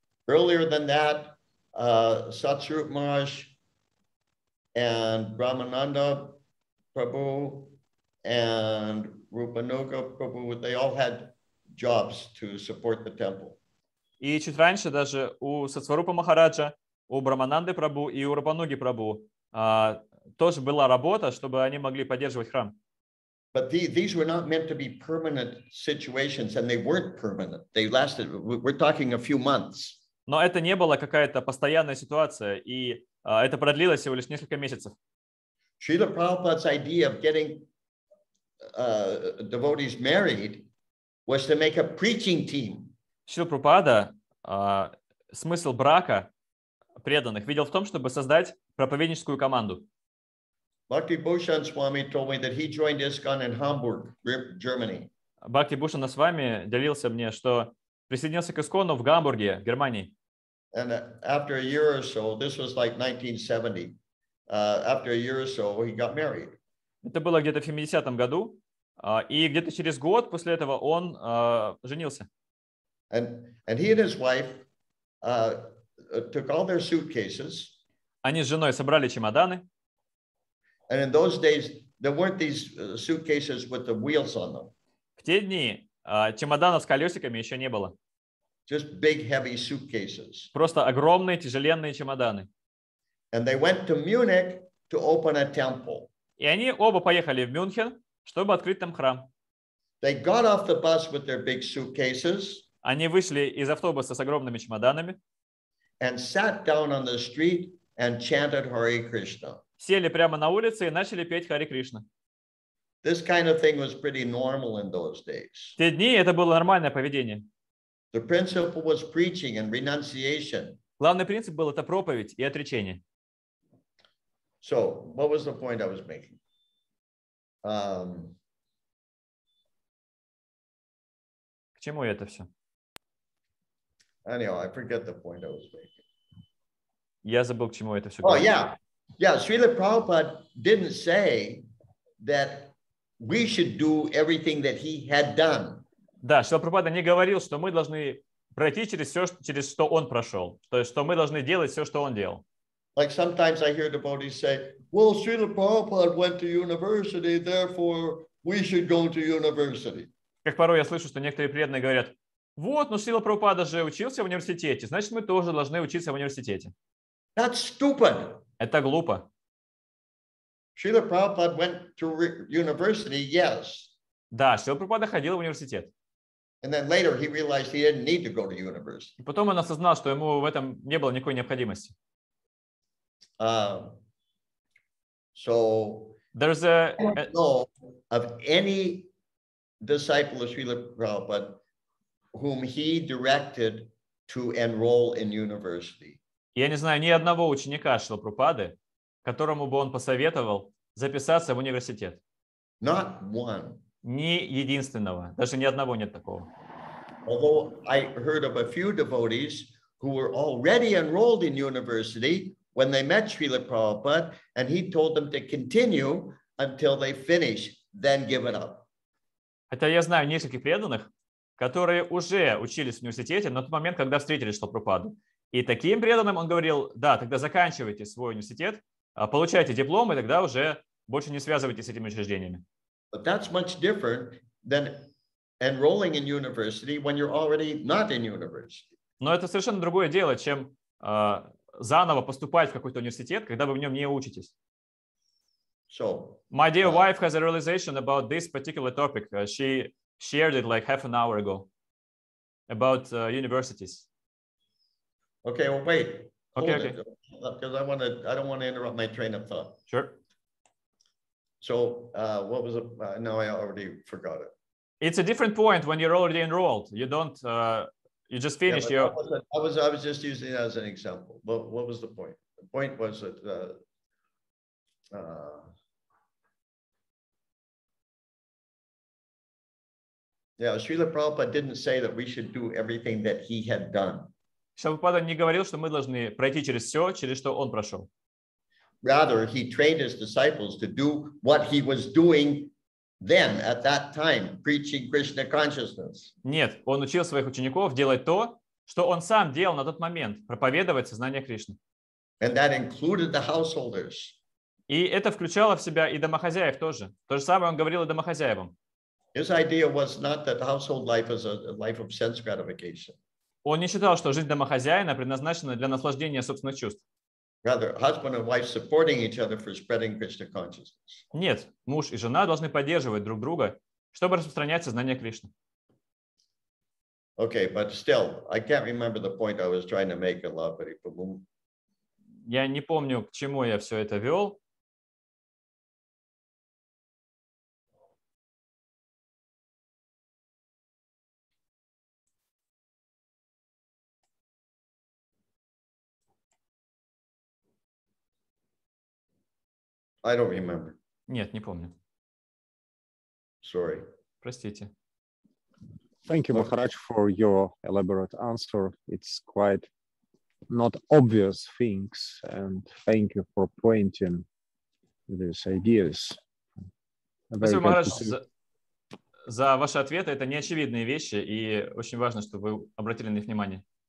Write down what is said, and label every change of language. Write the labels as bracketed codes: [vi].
[en] Earlier than that, Satsrup Maharaj and Brahmananda Prabhu and Rupanuga Prabhu, they all had jobs to support the temple. [ru] И чуть раньше даже у Сатсварупа Махараджа, у Брамананды Прабу и у Рупануги Прабу тоже была работа, чтобы они могли поддерживать храм. [en] But these were not meant to be permanent situations, and they weren't permanent. They lasted. We're talking a few months. [ru] Но это не была какая-то постоянная ситуация, и это продлилось всего лишь несколько месяцев. [en] Srila Prabhupada's idea of getting devotees married was to make a preaching team. [ru] Шрила Прабхупада смысл брака преданных видел в том, чтобы создать проповедническую команду. [en] Bhakti Bhushan Swami told me that he joined ISKCON in Hamburg, Germany. [ru] Бхакти Бхушан Свами делился мне, что присоединился к ИСКОНу в Гамбурге, в Германии. [en] And after a year or so, this was like 1970. After a year or so, he got married. [ru] Это было где-то в 70-м году. И где-то через год после этого он женился. [en] And he and his wife took all their suitcases. [ru] Они с женой собрали чемоданы. [en] And in those days there weren't these suitcases with the wheels on them. [ru] В те дни чемоданов с колесиками еще не было. [en] Just big heavy suitcases. [ru] Просто огромные тяжеленные чемоданы. [en] And they went to Munich to open a temple. [ru] И они оба поехали в Мюнхен, чтобы открыть там храм. [en] They got off the bus with their big suitcases. [ru] Они вышли из автобуса с огромными чемоданами. [en] And sat down on the street and chanted Hare Krishna. [ru] Сели прямо на улице и начали петь Харе Кришна. [en] This kind of thing was pretty normal in those days. [ru] В те дни это было нормальное поведение. [en] The principle was preaching and renunciation. [ru] Главный принцип был это проповедь и отречение. [en] So, what was the point I was making? [ru] К чему это все? [en] Anyway, I forget the point I was making. [ru] Я забыл, к чему это все. [en] Oh, yeah. Yeah, Srila Prabhupada didn't say that we should do everything that he had done. [ru] Да, Шрила Прабхупада не говорил, что мы должны пройти через все, через что он прошел. То есть, что мы должны делать все, что он делал. [en] Like sometimes I hear devotees say, well, Srila Prabhupada went to university, therefore we should go to university. [ru] Как порой я слышу, что некоторые преданные говорят, вот, но Шрила Прабхупада же учился в университете, значит, мы тоже должны учиться в университете. [en] That's stupid. [ru] Это глупо. [en] Srila Prabhupada went to university, yes. [ru] Да, Шрила Прабхупада ходил в университет. [en] And then later he realized he didn't need to go to university. [ru] И потом он осознал, что ему в этом не было никакой необходимости. [en] So there's a know of any disciple of Srila Prabhupada whom he directed to enroll in university. [ru] Я не знаю ни одного ученика Шрилы Прабхупады, которому бы он посоветовал записаться в университет. [en] Not one. [ru] Ни единственного. Даже ни одного нет такого. [en] Although I heard of a few devotees who were already enrolled in university when they met Srila Prabhupada, and he told them to continue until they finish, then give it up. [ru] Хотя я знаю нескольких преданных, которые уже учились в университете на тот момент, когда встретили Шрилу Прабхупаду. И таким преданным он говорил, да, тогда заканчивайте свой университет, получайте диплом, и тогда уже больше не связывайтесь с этими учреждениями. [en] But that's much different than enrolling in university when you're already not in university. [ru] Но это совершенно другое дело, чем заново поступать в какой-то университет, когда вы в нем не учитесь. [en] So, my dear wife has a realization about this particular topic. She shared it like half an hour ago about universities. Okay, well, wait. Okay. I don't want to interrupt my train of thought. Sure. So, what was it? Now I already forgot it. It's a different point when you're already enrolled. You don't, you just finished your... I was just using it as an example. But what was the point? The point was that... Srila Prabhupada didn't say that we should do everything that he had done. [ru] Шрила не говорил, что мы должны пройти через все, через что он прошел. [en] Rather, he trained his disciples to do what he was doing then at that time, preaching Krishna consciousness. [ru] Нет, он учил своих учеников делать то, что он сам делал на тот момент, проповедовать сознание Кришны. [en] And that included the householders. [ru] И это включало в себя и домохозяев тоже. То же самое он говорил и домохозяевам. [en] His idea was not that household life is a life of sense gratification. [ru] Он не считал, что жизнь домохозяина предназначена для наслаждения собственных чувств. [en] Rather, husband and wife supporting each other for spreading Krishna consciousness. [ru] Нет, муж и жена должны поддерживать друг друга, чтобы распространять сознание Кришны. [en] Okay, but still, I can't remember the point I was trying to make in Lavari Pabum. [ru] Я не помню, к чему я все это вел. [en] I don't remember. [ru] Нет, не помню. [en] Sorry. [ru] Простите. [en] Thank you, Maharaj, for your elaborate answer. It's quite not obvious things, and thank you for pointing these ideas. [ru] Спасибо, Махарадж, за ваши ответы. Это неочевидные вещи, и очень важно, чтобы вы обратили на них внимание.